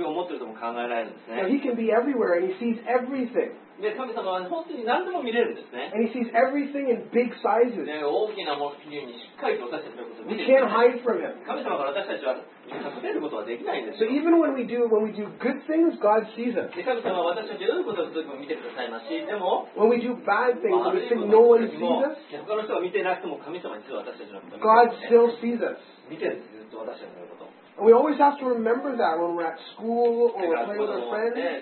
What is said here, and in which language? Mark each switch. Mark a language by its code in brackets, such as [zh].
[en] Now he can be everywhere and he sees everything. [ja] で神様は本当に何でも見れるんですね。 [en] And he sees everything in big sizes. [ja] 大きなものにしっかりと私たちのことを見れるんですね。 [en] We can't hide from him. [ja] 神様から私たちは隠れることはできないんです。 [en] So even when we do good things, God sees us. [ja] で神様は私たちが良いことをするときも見てくださいますし、でも、 [en] When we do bad things, we think no one sees us. [ja] 他の人は見てなくても神様は実は私たちのこと。 [en] God still sees us. [ja] 見てるずっと私たちのこと。 [en] We always have to remember that when we're at school or we're playing with our friends.